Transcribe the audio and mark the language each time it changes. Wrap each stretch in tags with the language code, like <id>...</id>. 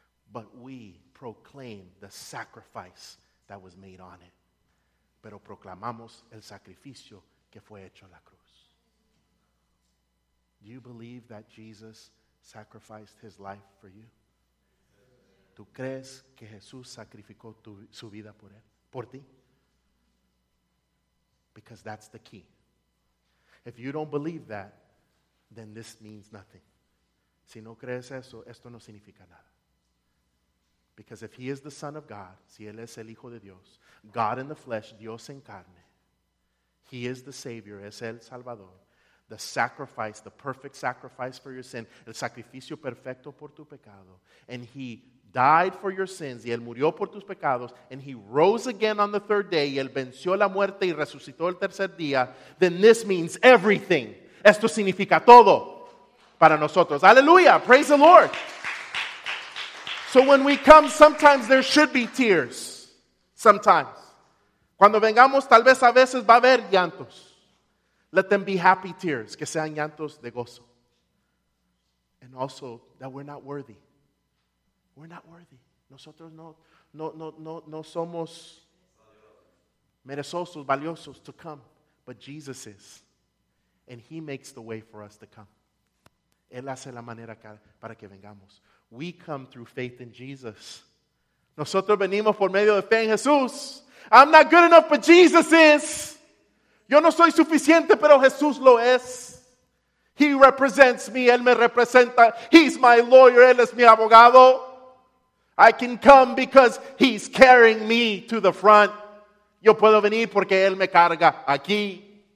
<en>But we proclaim the sacrifice that was made on it.</en> <es>Pero proclamamos el sacrificio que fue hecho en la cruz.</es> <en>Do you believe that Jesus sacrificed his life for you?</en> <es>¿Tú crees que Jesús sacrificó su vida por él, por ti?</es> <en>Because that's the key. If you don't believe that, then this means nothing.</en> <es>Si no crees eso, esto no significa nada.</es> <en>Because if he is the Son of God,</en> <es>si él es el Hijo de Dios,</es> <en>God in the flesh,</en> <es>Dios en carne,</es> <en>he is the Savior,</en> <es>es el Salvador,</es> <en>the sacrifice, the perfect sacrifice for your sin,</en> <es>el sacrificio perfecto por tu pecado,</es> <en>and he died for your sins,</en> <es>y él murió por tus pecados,</es> <en>and he rose again on the third day,</en> <es>y él venció la muerte y resucitó el tercer día,</es> <en>then this means everything.</en> <es>Esto significa todo para nosotros. Aleluya,</es> <en>praise the Lord. So when we come, sometimes there should be tears. Sometimes.</en> <es>Cuando vengamos, tal vez a veces va a haber llantos.</es> <en>Let them be happy tears,</en> <es>que sean llantos de gozo.</es> <en>And also, that we're not worthy. We're not worthy.</en> <es>Nosotros no somos merezosos, valiosos</es> <en>to come. But Jesus is. And he makes the way for us to come.</en> <es>Él hace la manera para que vengamos.</es> <en>We come through faith in Jesus.</en> <es>Nosotros venimos por medio de fe en Jesús.</es> <en>I'm not good enough, but Jesus is.</en> <es>Yo no soy suficiente, pero Jesús lo es.</es> <en>He represents me.</en> <es>Él me representa.</es> <en>He's my lawyer.</en> <es>Él es mi abogado.</es> <en>I can come because he's carrying me to the front.</en> <es>Yo puedo venir porque él me carga aquí.</es>